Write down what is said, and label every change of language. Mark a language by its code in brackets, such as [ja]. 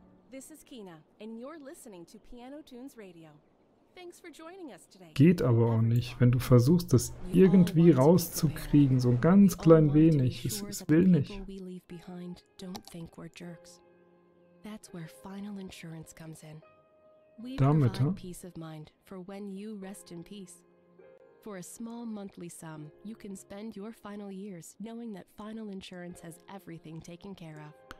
[en] This is Kina, and you're listening to Piano Tunes Radio. Thanks for joining us today. [de] Geht aber auch nicht, wenn du versuchst, das irgendwie rauszukriegen, so ein ganz klein wenig. Es will nicht. [en] We leave behind don't think we're jerks. That's where Final Insurance comes in. We Damit, provide peace of mind for when you rest in peace. For a small monthly sum, you can spend your final years knowing that Final Insurance has everything taken care of.